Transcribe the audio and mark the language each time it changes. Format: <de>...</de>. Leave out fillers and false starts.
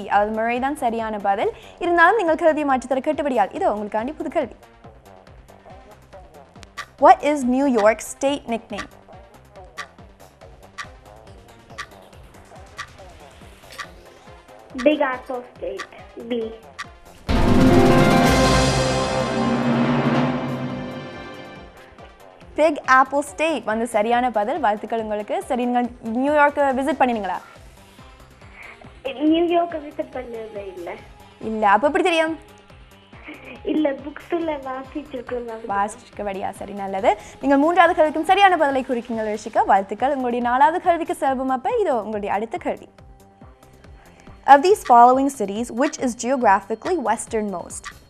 <ta>அதாவது Murray தான் சரியான பதில். இருந்தாலும் நீங்கள் கேள்வி மாற்றி தர கேட்டுபடியால். இதோ உங்களுக்காண்டி புது கேள்வி.</ta> <en>What is New York state nickname? Big Apple State. B.</en> <ta>Big Apple State வந்து சரியான பதில். வாழ்த்துக்கள் உங்களுக்கு. சரி, நீங்கள் நியூயார்க்கு விசிட் பண்ணினீங்களா? நியூயார்க்கு விசிட் பண்ணதே இல்லை. இல்லை, அப்போ எப்படி தெரியும்? இல்லை, புக்ஸில் வாசிச்சிருக்கேன். வாசிச்சிருக்க வழியா? சரி நல்லது. நீங்கள் மூன்றாவது கல்விக்கும் சரியான பதிலை குறிக்கீங்க ரிஷிகா. வாழ்த்துக்கள். உங்களுடைய நாலாவது கல்விக்கு செல்வோம். அப்போ இதோ உங்களுடைய அடுத்த கல்வி.</ta> <en>Of these following cities, which is geographically westernmost?</en>